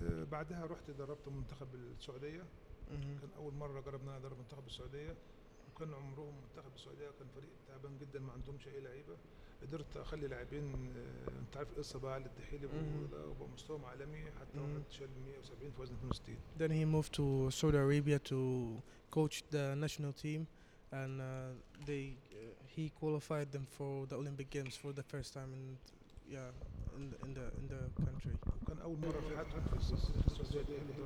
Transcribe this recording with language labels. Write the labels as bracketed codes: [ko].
[ar] بعدها رحت دربت منتخب السعودية. كان أول مرة جربنا ندرب منتخب السعودية وكان عمرهم منتخب السعودية كان فريق تعبان جدا ما عندهمش أي لعيبة قدرت أخلي لاعبين أنت عارف القصة بقى على الدحيلي وبقى مستوى عالمي حتى شال 170 في وزن 62. [en] Then he moved to Saudi Arabia to coach the national team and he qualified them for the Olympic Games for the first time in the country. [ar] كان أول مرة في حياتهم في السعودية.